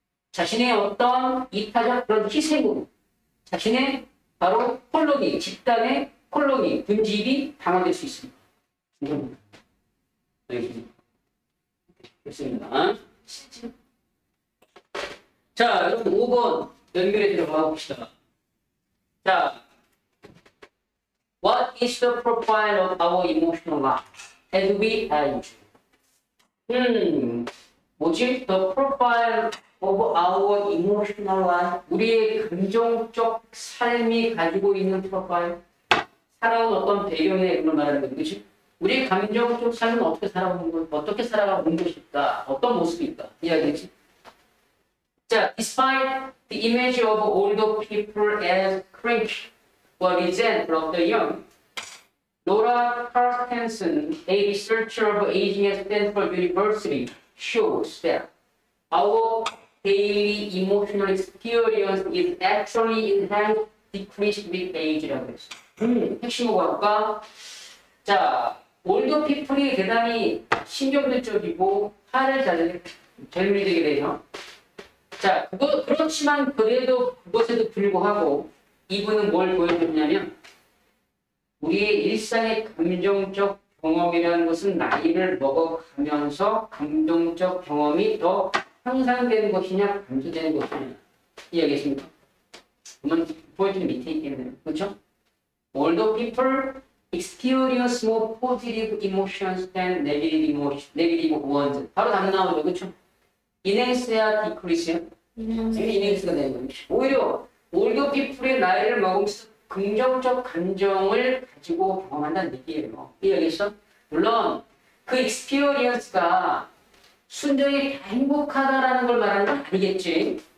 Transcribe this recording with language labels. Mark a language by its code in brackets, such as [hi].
[ko] 자신의 어떤 이타적 그런 희생으로 자신의 바로 콜로니, 집단의 콜로니, 분집이 방어될 수 있습니다. 알겠습니다. 자, 여러분 5번 연결해 들어가 봅시다. [en] 자, What is the profile of our emotional life as we age? [ko] 뭐지? [en] The profile of our emotional life. [ko] 우리의 감정적 삶이 가지고 있는 프로파일. 살아온 어떤 배경에 그런 말하는 거지. 그치? 우리의 감정적 삶은 어떻게 살아온 것, 어떻게 살아온 것일까? 어떤 모습일까? 이야기지. [en] 자, despite the image of older people as cringe or resentful of the young, Laura Carstensen, a researcher of aging at Stanford University, shows that our daily emotional experience is actually enhanced decreased with age [ko] 라고 했어. 핵심어가 아까 자 올드 피플이 대단히 신경질적이고 화를 잘 재미지게 되죠. 자 그거 그렇지만 그래도 그것에도 불구하고 이분은 뭘 보여줬냐면 우리의 일상의 감정적 경험이라는 것은 나이를 먹어가면서 감정적 경험이 더 향상되는 것이냐 감소되는 것이냐 이해하겠습니까? 그러면 포인트는 밑에 있겠네요. 그렇죠? [en] All the people experience more positive emotions than negative emotions, negative ones. [ko] 바로 답 나오죠. 그렇죠? 인행스야 디크리스야? 인행스가 되는 거죠. 오히려 올드 피플의 나이를 먹으면서 긍정적 감정을 가지고 경험한다는 얘기예요. 이해하겠어? 물론 그 익스피어리언스가 순전히 다 행복하다라는 걸 말하는 건 아니겠지.